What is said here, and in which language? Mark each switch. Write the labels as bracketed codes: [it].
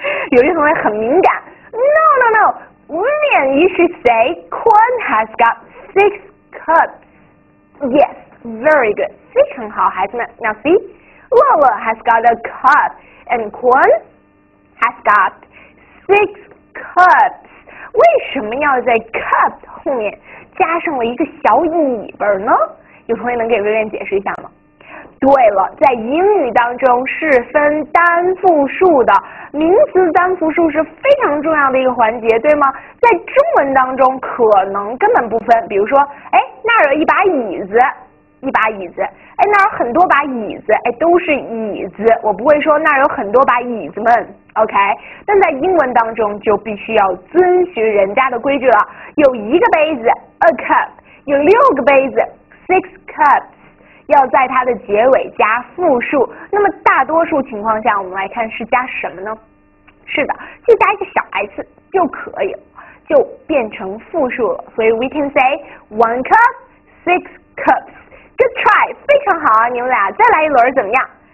[zh] 有些同学很敏感， [en] No，Vivian，you should say Quan has got six cups. Yes, very good. [zh] 非常好，孩子们。 [en] Now see, Lola has got a cup, and Quan has got six cups. [zh] 为什么要在 cup 后面加上了一个小尾巴呢？有同学能给 Vivian 解释一下吗？对了，在英语当中是分单复数的，名词单复数是非常重要的一个环节，对吗？在中文当中可能根本不分，比如说，哎，那儿有一把椅子，一把椅子，哎，那儿有很多把椅子，哎，都是椅子，我不会说那儿有很多把椅子们，OK？但在英文当中就必须要遵循人家的规矩了，有一个杯子 [en] a cup， [zh] 有六个杯子 [en] six cups。 [zh] 要在它的结尾加复数，那么大多数情况下，我们来看是加什么呢？是的，就加一个小 s 就可以了，就变成复数了。 [en] 所以 we can say one cup, six cups. Good try， [zh] 非常好啊，你们俩再来一轮怎么样？